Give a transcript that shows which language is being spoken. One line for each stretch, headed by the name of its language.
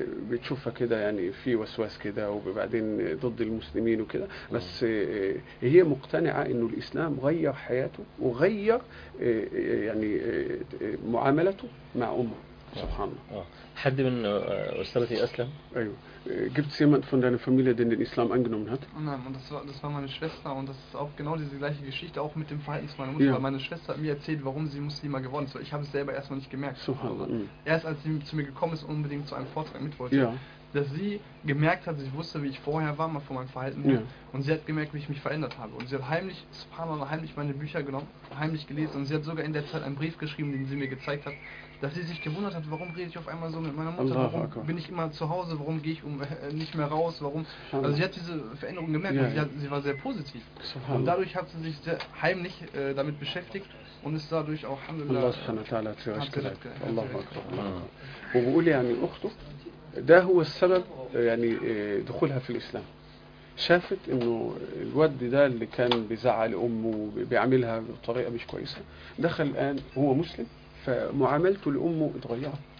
Arabic: بتشوفها كده يعني في وسواس كده وبعدين ضد المسلمين وكده بس هي مقتنعة إنه الإسلام غير حياته وغير يعني معاملته مع أمه سبحان الله حد من أسرتي أسلم
German: أيوة gibt es jemand von deiner Familie, den den Islam angenommen hat? Nein, und das war meine Schwester, und das ist auch genau diese gleiche Geschichte, auch mit dem Verhalten meiner Mutter. Ja. Meine Schwester hat mir erzählt, warum sie Muslima geworden ist. Ich habe es selber erstmal nicht gemerkt. So, erst als sie zu mir gekommen ist, unbedingt zu einem Vortrag mit wollte, dass sie gemerkt hat, sie wusste, wie ich vorher war, mal von meinem Verhalten. Ja. Und sie hat gemerkt, wie ich mich verändert habe. Und sie hat heimlich, subhanallah, heimlich meine Bücher genommen, heimlich gelesen. Und sie hat sogar in der Zeit einen Brief geschrieben, den sie mir gezeigt hat, dass sie sich gewundert hat, warum rede ich auf einmal so mit meiner Mutter, warum bin ich immer zu Hause, warum gehe ich nicht mehr raus, warum... Also sie hat diese Veränderung gemerkt und sie war sehr positiv. Und dadurch hat sie sich sehr heimlich damit beschäftigt und ist dadurch auch... Allah subhanahu wa ta'ala hat sie euch gesagt. Allah subhanahu wa ta'ala. Und ich sage, meine Tochter, das ist der Grund, dass sie in den Islam
Arabic: شافت انه الواد ده اللي كان بيزعق لامه وبيعملها بطريقه مش كويسه دخل الان هو مسلم فمعاملته لامه اتغيرت